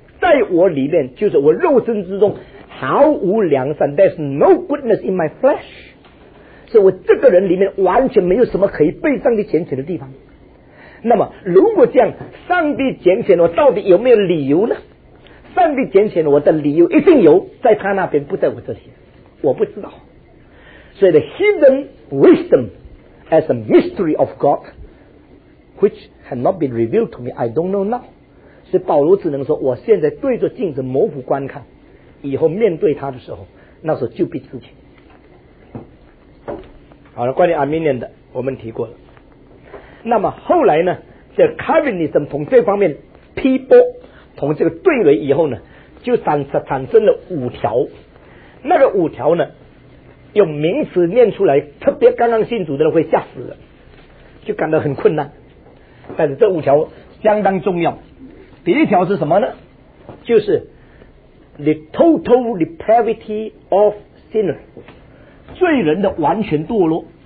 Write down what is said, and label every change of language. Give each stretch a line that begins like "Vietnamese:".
Chinese: 在我里面，就是我肉身之中毫无良善，
English: There's no goodness in my flesh，
Chinese: 是我这个人里面完全没有什么可以被上帝拣选的地方。那么如果这样，上帝拣选我到底有没有理由呢？上帝拣选我的理由一定有，在他那边，不在我这些，我不知道。所以
English: the hidden wisdom as a mystery of God which had not been revealed to me, I don't know now。
Chinese: 所以保罗只能说，我现在对着镜子模糊观看，以后面对他的时候，那时候就必自清。好了，关于 Arminian 的我们提过了。那么后来呢，这 Calvinism 从这方面批驳，从这个对垒以后呢，就产生了五条。那个五条呢，用名词念出来，特别刚刚信主的人会吓死了，就感到很困难。但是这五条相当重要。第一条是什么呢？就是
English: the total depravity of sinner，
Chinese: 罪人的完全堕落。